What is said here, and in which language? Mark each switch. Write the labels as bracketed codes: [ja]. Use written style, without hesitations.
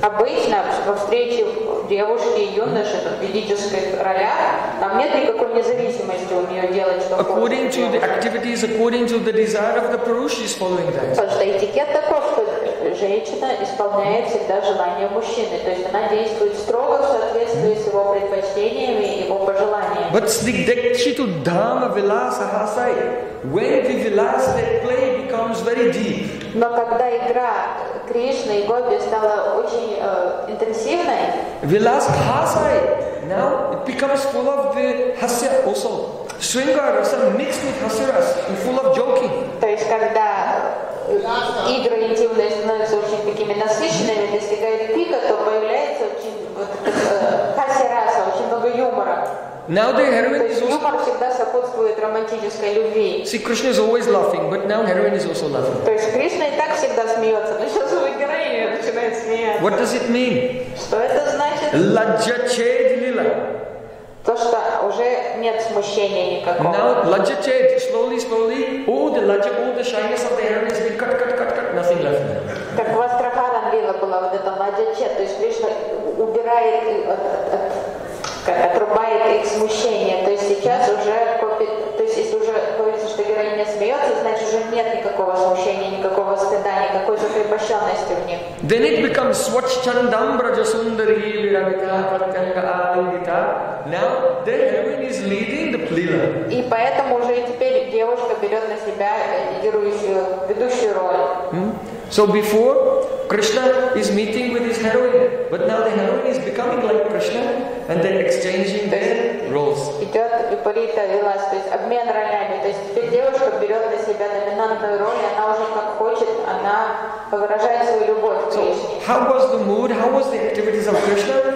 [ru] Обычно во встрече девушки и юноши, в ведических ролях, там нет никакой независимости у нее делать, что [en] According to the activities, according to the desire of the Puru, she is following that. [ru] Потому что этикет такой, что женщина исполняет всегда желания мужчины. То есть она действует строго в соответствии с его предпочтениями и его пожеланиями. [en] But [sa] Snigdekshitu Dhamma Vilasa Hasai, [en] when the Vilasa that play becomes very deep. [ru] Но когда игра Кришна и Гопи стала очень интенсивной, [sa] Vilasa Hasai, [en] now it becomes full of the Hasya also. Swingar Rasa mixed with Hasiras and full of joking. [ru] То есть когда игры интимные становятся очень такими насыщенными, достигают пика, то появляется очень Хасираса, очень много юмора. [en] Now the heroine is also... [ru] Юмор всегда сопутствует романтической любви. [en] See, Krishna is always laughing, but now heroine is also laughing. [ru] То есть Кришна и так всегда смеется, но сейчас у героини начинает смеяться. [en] What does it mean? [ru] Что это значит? [sa] Ладжа чед лила. [ru] То, что уже нет смущения никакого. [en] Now ладжа чед, slowly, slowly, all the ладжа, all the shyness of the heroine has been cut, cut, cut, cut, nothing left. [ru] Как в Астрахарам лила была вот эта ладжа чед, то есть Кришна убирает отрубает их смущение. То есть сейчас уже копит, то есть если уже говорится, что героиня смеется, значит уже нет никакого смущения, никакого стыда, никакой закрепощенности в них. [en] Then it becomes [sa] Swachandam Brajasundari Viravita Pratyanga Alingita. [en] Now the heroine is leading the plila. [ru] И поэтому уже и теперь девушка берет на себя героическую ведущую роль. [en] So before Krishna is meeting with his heroine, but now the heroine is becoming like Krishna and then exchanging their roles. [ru] Идет Випарита Вилас, то есть обмен ролями. То есть теперь девушка берет на себя доминантную роль, она уже как хочет, она выражает свою любовь к Кришне. [en] How was the mood, how was the activities of Krishna?